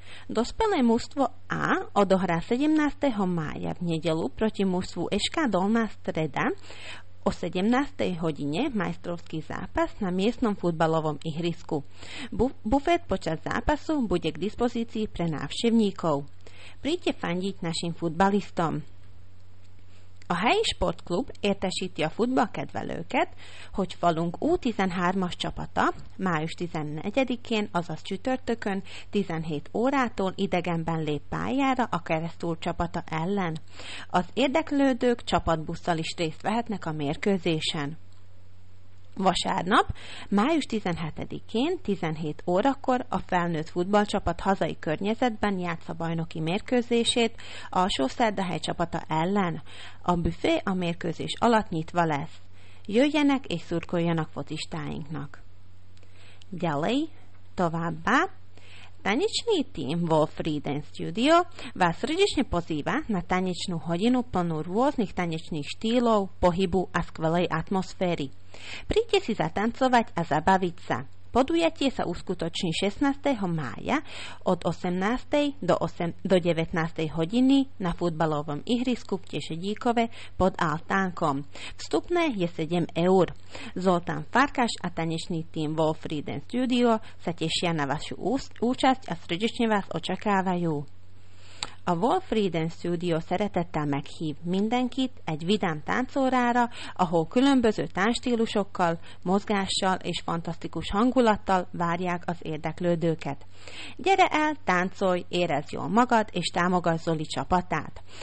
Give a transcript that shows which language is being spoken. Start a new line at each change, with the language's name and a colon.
Slovak: Dospelé mužstvo A odohrá 17. mája v nedeľu proti mužstvu EŠK Dolná Streda o 17. hodine majstrovský zápas na miestnom futbalovom ihrisku. Bufet počas zápasu bude k dispozícii pre návštevníkov. Príďte fandiť našim futbalistom.
Hungarian: A helyi sportklub értesíti a futballkedvelőket, hogy falunk U13-as csapata május 14-én, azaz csütörtökön 17 órától idegenben lép pályára a Keresztúr csapata ellen. Az érdeklődők csapatbusszal is részt vehetnek a mérkőzésen. Vasárnap, május 17-én 17 órakor a felnőtt futballcsapat hazai környezetben játsza bajnoki mérkőzését Alsó-Szerdahely csapata ellen. A büfé a mérkőzés alatt nyitva lesz. Jöjjenek és szurkoljanak focistáinknak. Gyalei, továbbá,
Slovak: Tanečný tým vo Freedom Studio vás srdečne pozýva na tanečnú hodinu plnú rôznych tanečných štýlov, pohybu a skvelej atmosféry. Príďte si zatancovať a zabaviť sa. Podujatie sa uskutoční 16. mája od 18. do 19. hodiny na futbalovom ihrisku v Teše Díkove pod altánkom. Vstupné je 7 eur. Zoltán Farkáš a tanečný tým Wolf Freedom Studio sa tešia na vašu účasť a srdečne vás očakávajú.
Hungarian: A Wolf Freedom Studio szeretettel meghív mindenkit egy vidám táncórára, ahol különböző táncstílusokkal, mozgással és fantasztikus hangulattal várják az érdeklődőket. Gyere el, táncolj, érezd jól magad és támogass Zoli csapatát!